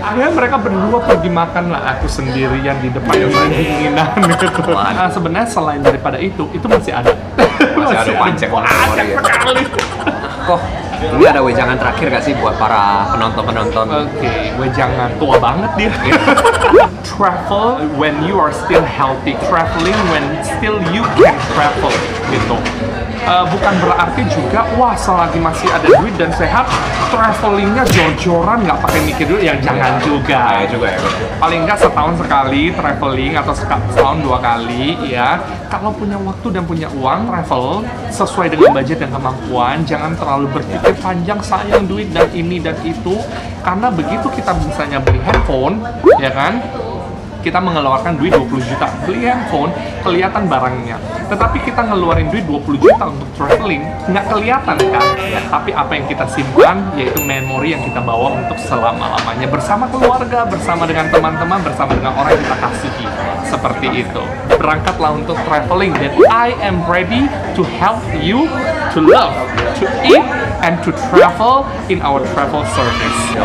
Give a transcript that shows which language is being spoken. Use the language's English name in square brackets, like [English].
[Indonesian] Akhirnya mereka berdua pergi makan lah, aku sendirian di depan yang menginginan gitu. Nah, sebenarnya selain daripada itu masih ada. Masih ada pancek warna-warni ya. Kok, ini ada wejangan terakhir gak sih buat para penonton-penonton? Oke, wejangan tua banget dia. [English] Travel when you are still healthy, traveling when still you can travel, [Indonesian] gitu. Bukan berarti juga, wah selagi masih ada duit dan sehat, travelingnya jor-joran nggak pakai mikir duit, yang jangan juga. Ya juga ya. Paling nggak setahun sekali traveling atau setahun dua kali, ya. Kalau punya waktu dan punya uang, travel sesuai dengan budget dan kemampuan, jangan terlalu berpikir panjang, sayang duit dan ini dan itu. Karena begitu kita misalnya beli handphone, ya kan? Kita mengeluarkan duit 20 juta beli handphone, kelihatan barangnya. Tetapi kita ngeluarin duit 20 juta untuk traveling, nggak kelihatan kan? Tapi apa yang kita simpan, yaitu memori yang kita bawa untuk selama-lamanya. Bersama keluarga, bersama dengan teman-teman, bersama dengan orang yang kita kasihi. Seperti itu. Berangkatlah untuk traveling. Dan [English] I am ready to help you to love, to eat, and to travel in our travel service.